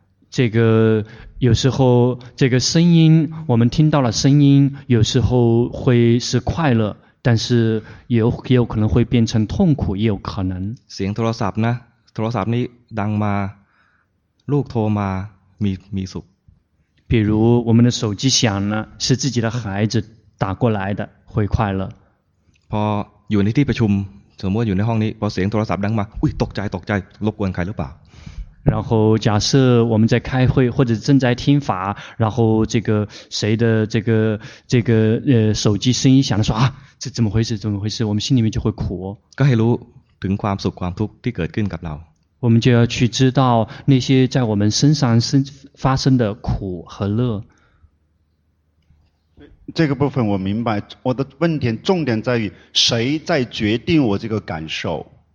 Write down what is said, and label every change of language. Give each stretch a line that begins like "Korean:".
Chinese: 这个有时候这个声音我们听到了声音有时候会是快乐但是也有可能会变成痛苦也有可能
Thai: เสียงโทรศัพท์นะโทรศัพท์นี้ดังมาลูกโทรมามีสุข
Chinese: 比如我们的手机响了是自己的孩子打过来的会快乐
Thai: พออยู่ในที่ประชุมสมมติอยู่ในห้องนี้พอเสียงโทรศัพท์ดังมาอุ้ยตกใจรบกวนใครหรือเปล่า
Chinese: 然后假设我们在开会或者正在听法然后这个谁的这个手机声音响了说啊这怎么回事我们心里面就会苦
Thai: ก็ให้รู้ถึงความสุขความทุกข์ที่เกิดขึ้นกับเรา
Chinese: 我们就要去知道那些在我们身上发生的苦和乐这个部分我明白我的问题重点在于谁在决定我这个感受